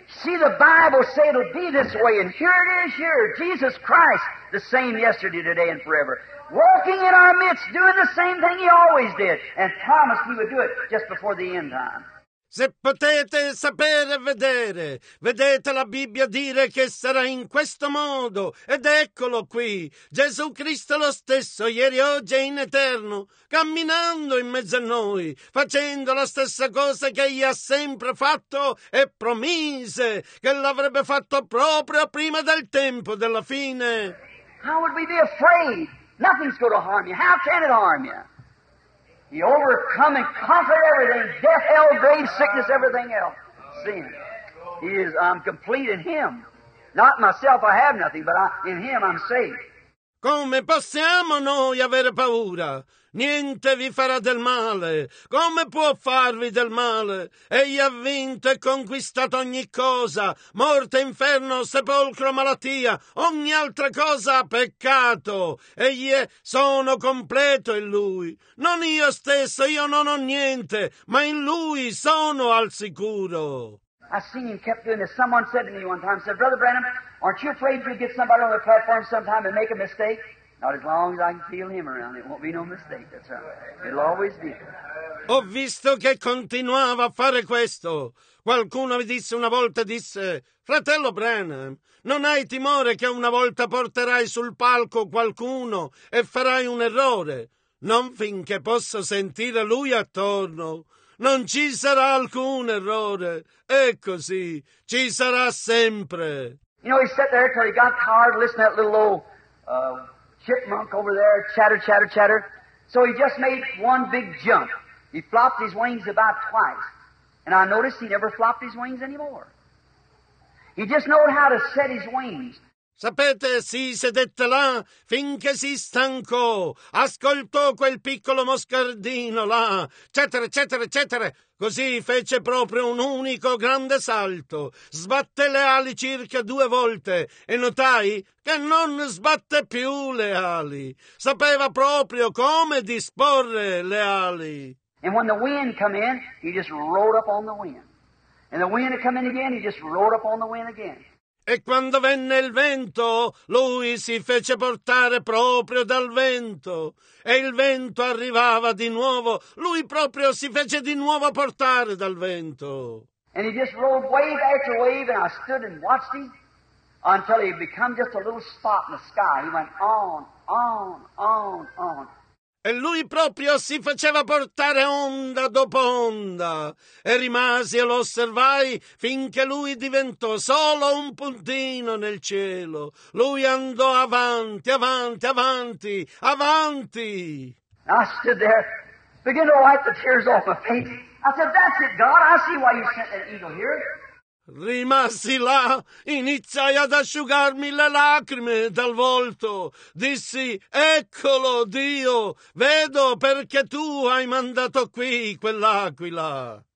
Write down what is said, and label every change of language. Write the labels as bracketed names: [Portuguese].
[English] See, the Bible say it'll be this way, and here it is here, Jesus Christ, the same yesterday, today, and forever, walking in our midst, doing the same thing he always did, and promised he would do it just before the end time. [Italian] Se potete sapere e vedere, vedete la Bibbia dire che sarà in questo modo, ed eccolo qui, Gesù Cristo lo stesso, ieri, oggi e in eterno, camminando in mezzo a noi, facendo la stessa cosa che egli ha sempre fatto e promise che l'avrebbe fatto proprio prima del tempo della fine. [English] How would we be afraid? Nothing's going to harm you. How can it harm you? He overcome and conquered everything, death, hell, grave, sickness, everything else, sin. He is, I'm complete in Him. Not myself, I have nothing, but in Him I'm saved. [Italian] Come possiamo noi avere paura? Niente vi farà del male. Come può farvi del male? Egli ha vinto e conquistato ogni cosa. Morte, inferno, sepolcro, malattia. Ogni altra cosa ha peccato. Egli è, sono completo in Lui. Non io stesso, io non ho niente, ma in Lui sono al sicuro. [English] I seen him kept doing this. Someone said to me one time, said, Brother Branham, aren't you afraid you'll get somebody on the platform sometime and make a mistake? Not as long as I can feel him around. It won't be no mistake, that's right. It'll always be. [Italian] Ho visto che continuava a fare questo. Qualcuno mi disse una volta, disse, fratello Branham, non hai timore che una volta porterai sul palco qualcuno e farai un errore? Non finché posso sentire lui attorno. Non ci sarà alcun errore. È così. Ci sarà sempre. [English] You know, he sat there until he got tired listening to that little old chipmunk over there, chatter, chatter, chatter. So he just made one big jump. He flopped his wings about twice. And I noticed he never flopped his wings anymore. He just knew how to set his wings. [Italian] Sapete, si sedette là finché si stancò, ascoltò quel piccolo moscardino là, eccetera, eccetera, eccetera. Così fece proprio un unico grande salto, sbatte le ali circa due volte e notai che non sbatte più le ali. Sapeva proprio come disporre le ali. [English] And when the wind come in, he just rode up on the wind. And the wind come in again, he just rode up on the wind again. [Italian] E quando venne il vento, lui si fece portare proprio dal vento. E il vento arrivava di nuovo, lui proprio si fece di nuovo portare dal vento. [English] And he just rode wave after wave, and I stood and watched him until he became just a little spot in the sky. He went on, on, on, on. [Italian] E lui proprio si faceva portare onda dopo onda e rimasi e lo osservai finché lui diventò solo un puntino nel cielo. Lui andò avanti, avanti, avanti, avanti. [English] I stood there, begin to wipe the tears off my face. I said, that's it, God, I see why you sent that eagle here. [Italian] Rimasi là, iniziai ad asciugarmi le lacrime dal volto. Dissi, eccolo Dio, vedo perché tu hai mandato qui quell'aquila.